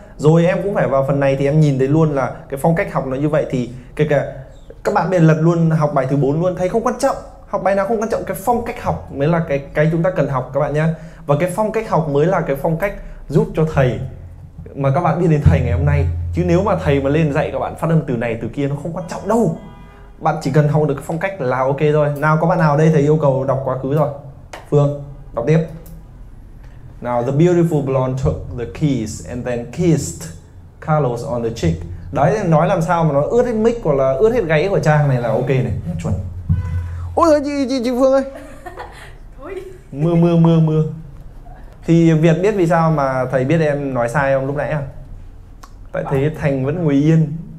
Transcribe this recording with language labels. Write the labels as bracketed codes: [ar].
[vi] Rồi em cũng phải vào phần này thì em nhìn thấy luôn là cái phong cách học nó như vậy. Thì kể cả các bạn bè lật luôn học bài thứ 4 luôn, thầy không quan trọng. Học bài nào không quan trọng, cái phong cách học mới là cái chúng ta cần học các bạn nhá. Và cái phong cách học mới là cái phong cách giúp cho thầy mà các bạn đi đến thầy ngày hôm nay. Chứ nếu mà thầy mà lên dạy các bạn phát âm từ này từ kia nó không quan trọng đâu. Bạn chỉ cần học được cái phong cách là ok rồi. Nào có bạn nào đây thầy yêu cầu đọc quá khứ rồi. Phương, đọc tiếp. [en] Now the beautiful blonde took the keys and then kissed Carlos on the cheek. [vi] Đấy, nói làm sao mà nó ướt hết mic hoặc là ướt hết gáy của Trang này là ok này, chuẩn. Ôi giời, chị Phương ơi. Mưa. Thì Việt biết vì sao mà thầy biết em nói sai không lúc nãy à? Tại thế Thành vẫn ngồi yên.